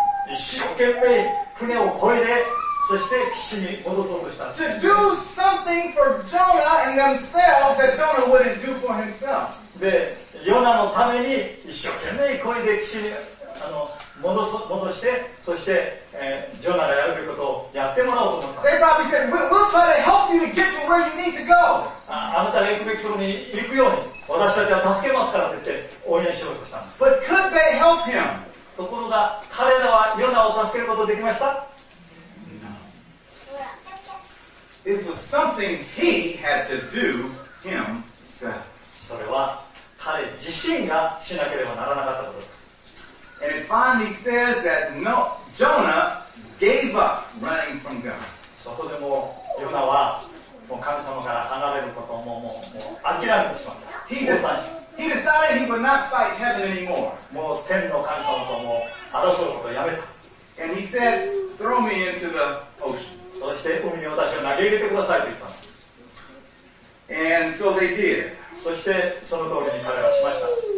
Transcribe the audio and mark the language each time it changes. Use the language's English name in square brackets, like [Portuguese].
[Japanese] 一生懸命船をこいで、そして岸に戻そうとした。 [English] To do something for Jonah and themselves that Jonah wouldn't do for himself. [Japanese] で、ヨナのために一生懸命こいで岸にあの 戻して、そして、ジョナがやるべきことをやってもらおうと思った。 [English] They probably said, we'll try to help you to get to where you need to go. [Japanese] あなたが行くべきところに行くように、私たちは助けますからと言って応援しようとしたんです。 [English] But could they help him? [Japanese] ところが、彼らはヨナを助けることができました。 [English] No. It was something he had to do himself. [Japanese] それは、彼自身がしなければならなかったことです。 [English] And it finally says that no, Jonah gave up running from God. [Japanese] そこでもうヨナはもう神様から離れることをもう諦めてしまった。 [English] He decided he would not fight heaven anymore. [Japanese] もう天の神様ともう争うことをやめた。 [English] And he said, throw me into the ocean. [Japanese] そして海に私を投げ入れてくださいと言ったんです。 [English] And so they did. [Japanese] そしてその通りに彼はしました。